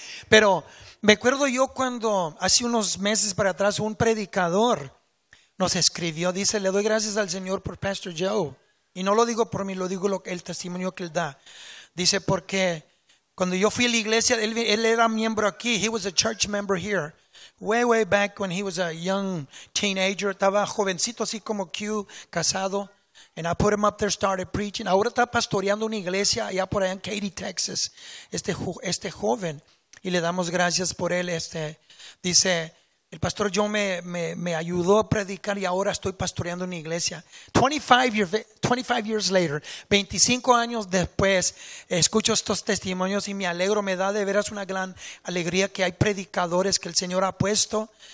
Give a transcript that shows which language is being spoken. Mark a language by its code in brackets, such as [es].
[es] Pero me acuerdo yo cuando hace unos meses para atrás un predicador nos escribió, dice, le doy gracias al Señor por Pastor Joe. Y no lo digo por mí, lo digo el testimonio que él da. Dice, porque cuando yo fui a la iglesia, él era miembro aquí. [en] He was a church member here. Way, way back when he was a young teenager. [es] Estaba jovencito así como Q, casado. [en] And I put him up there, started preaching. [es] Ahora está pastoreando una iglesia allá por allá en Katy, Texas. Este joven. Y le damos gracias por él. Dice, el pastor Joe me ayudó a predicar y ahora estoy pastoreando una iglesia. [en] 25 years later, [es] 25 años después, escucho estos testimonios y me alegro, me da de veras una gran alegría que hay predicadores que el Señor ha puesto.